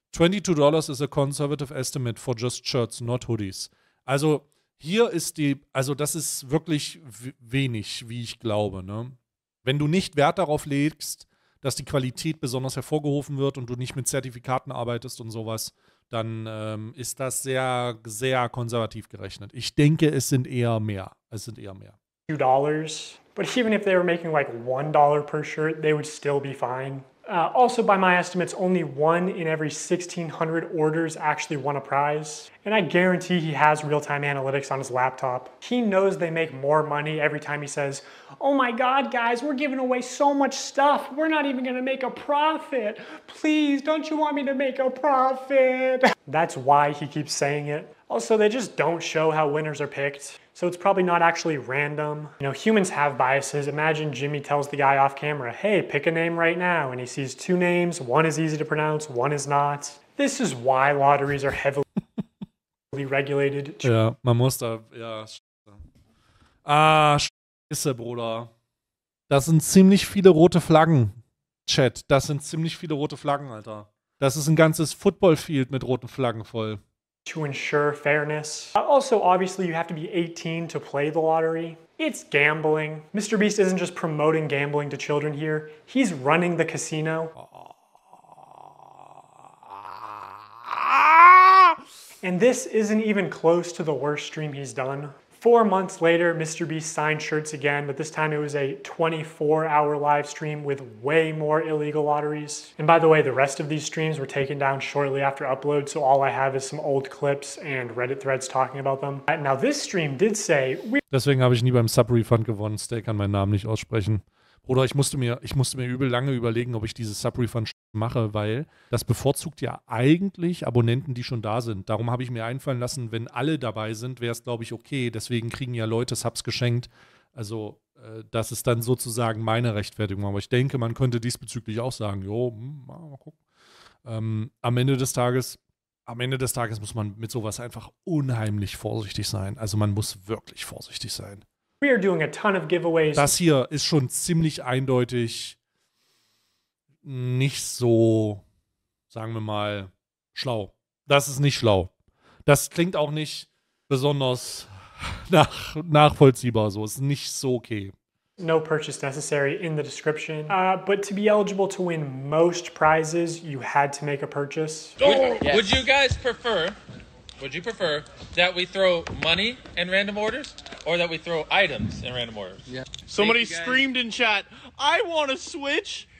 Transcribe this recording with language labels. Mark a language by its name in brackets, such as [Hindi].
[English] $22 is a conservative estimate for just shirts, not hoodies. [German] Also hier ist die, also das ist wirklich wenig, wie ich glaube, ne? Wenn du nicht Wert darauf legst, dass die Qualität besonders hervorgehoben wird und du nicht mit Zertifikaten arbeitest und sowas, dann ist das sehr, sehr konservativ gerechnet. Ich denke, es sind eher mehr. [English] $2, but even if they were making like $1 per shirt, they would still be fine. Also, by my estimates, only one in every 1,600 orders actually won a prize. And I guarantee he has real-time analytics on his laptop. He knows they make more money every time he says, oh my God, guys, we're giving away so much stuff. We're not even gonna make a profit. Please, don't you want me to make a profit? That's why he keeps saying it. Also, they just don't show how winners are picked. So it's probably not actually random. You know, humans have biases. Imagine Jimmy tells the guy off camera, hey, pick a name right now. And he sees two names. One is easy to pronounce, one is not. This is why lotteries are heavily regulated. [German] Ja, man muss da, ja. Ah, scheiße, Bruder. Das sind ziemlich viele rote Flaggen, Chat. Das sind ziemlich viele rote Flaggen, Alter. Das ist ein ganzes Footballfield mit roten Flaggen voll. [English] To ensure fairness. Also, obviously, you have to be 18 to play the lottery. It's gambling. Mr. Beast isn't just promoting gambling to children here. He's running the casino. And this isn't even close to the worst stream he's done. 4 months later, Mr. Beast signed shirts again, but this time it was a 24-hour live stream with way more illegal lotteries. And by the way, the rest of these streams were taken down shortly after upload, so all I have is some old clips and Reddit threads talking about them. Now, this stream did say... [German] Deswegen habe ich nie beim Sub-Refund gewonnen. Stay kann meinen Namen nicht aussprechen. Bruder, ich musste mir übel lange überlegen, ob ich dieses Sub-Refund mache, weil das bevorzugt ja eigentlich Abonnenten, die schon da sind. Darum habe ich mir einfallen lassen, wenn alle dabei sind, wäre es, glaube ich, okay. Deswegen kriegen ja Leute Subs geschenkt. Also das ist dann sozusagen meine Rechtfertigung. Aber ich denke, man könnte diesbezüglich auch sagen, jo, mal gucken. Am Ende des Tages muss man mit sowas einfach unheimlich vorsichtig sein. Also man muss wirklich vorsichtig sein. [English] We are doing a ton of giveaways. [German] Das hier ist schon ziemlich eindeutig nicht so, sagen wir mal, schlau. Das ist nicht schlau. Das klingt auch nicht besonders nachvollziehbar so. Ist nicht so okay. [English] No purchase necessary in the description. But to be eligible to win most prizes, you had to make a purchase. Would you guys prefer, that we throw money in random orders or that we throw items in random orders? Yeah. Somebody screamed in chat, I want a Switch.